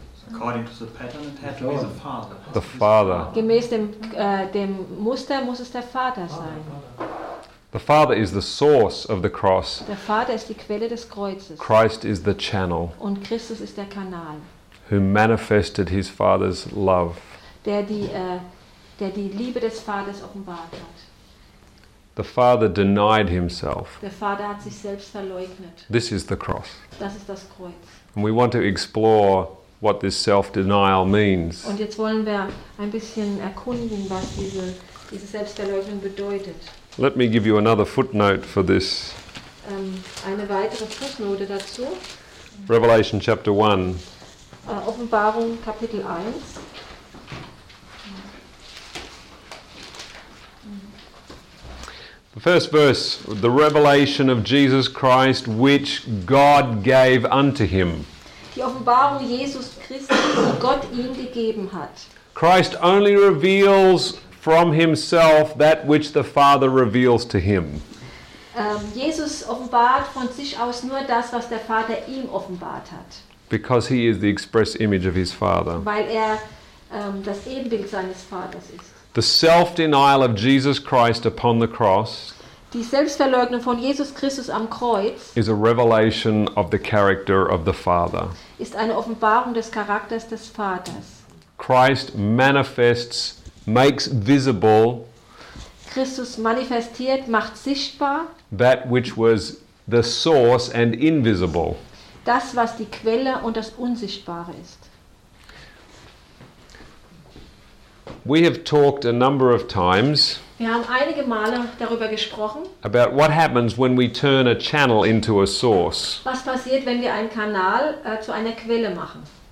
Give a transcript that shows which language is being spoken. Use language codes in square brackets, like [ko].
[en] According to the pattern, it has to be the Father. The Father. [de] Gemäß dem dem Muster muss es der Vater sein. [en] The Father is the source of the cross. [de] Der Vater ist die Quelle des Kreuzes. [en] Christ is the channel. [de] Und Christus ist der Kanal. [en] Who manifested his Father's love. [de] Der die Liebe des Vaters offenbart hat. [en] The Father denied himself. [de] Der Vater hat sich selbst verleugnet. [en] This is the cross. [de] Das ist das Kreuz. [en] And we want to explore what this self-denial means. [de] Und jetzt wollen wir ein bisschen erkunden, was diese Selbstverleugnung bedeutet. [en] Let me give you another footnote for this. [de] Eine weitere Fußnote dazu. [en] Revelation chapter 1. [de] Offenbarung Kapitel 1. [en] The first verse, the revelation of Jesus Christ which God gave unto him. [de] Die Offenbarung Jesus Christus, die Gott ihm gegeben hat. [en] Christ only reveals from himself that which the Father reveals to him. [de] Jesus offenbart von sich aus nur das, was der Vater ihm offenbart hat. [en] Because he is the express image of his Father. [de] Weil er das Ebenbild seines Vaters ist. [en] The self-denial of Jesus Christ upon the cross. [de] Die Selbstverleugnung von Jesus Christus am Kreuz. [en] Is a revelation of the character of the Father. [de] Ist eine Offenbarung des Charakters des Vaters. [en] Christ manifests. Makes visible. [de] Christus manifestiert, macht sichtbar. [en] That which was the source and invisible. [de] Das, was die Quelle und das Unsichtbare ist. [en] We have talked a number of times. [de] Wir haben einige Male darüber gesprochen. [en] About what happens when we turn a channel into a source. [de] Was passiert, wenn wir einen Kanal zu einer Quelle machen?